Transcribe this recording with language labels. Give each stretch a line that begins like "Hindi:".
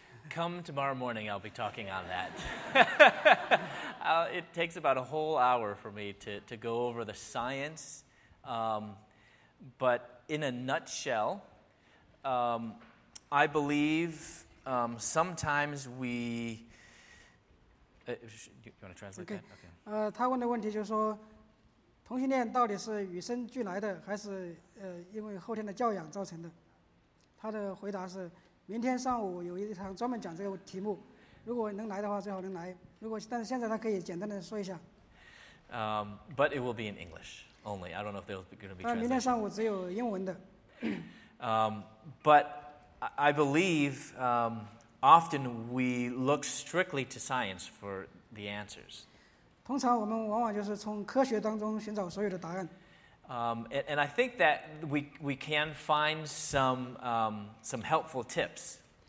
English: Come tomorrow morning, I'll be talking on that. It takes about a whole hour for me to go over the science. But in a nutshell, I believe sometimes we... do you want to translate okay. that? Okay.
Chinese: 他问的问题就是说, 同性恋到底是与生俱来的，还是因为后天的教养造成的？他的回答是，明天上午有一场专门讲这个题目，如果能来的话最好能来。如果但是现在他可以简单的说一下。
English: But it will be in English only. I don't know if there's going to be translation.
Chinese: 明天上午只有英文的。
English: But I believe often we look strictly to science for the answers.
Chinese: 通常我们往往就是从科学当中寻找所有的答案。
English: And I think that we can find some helpful tips.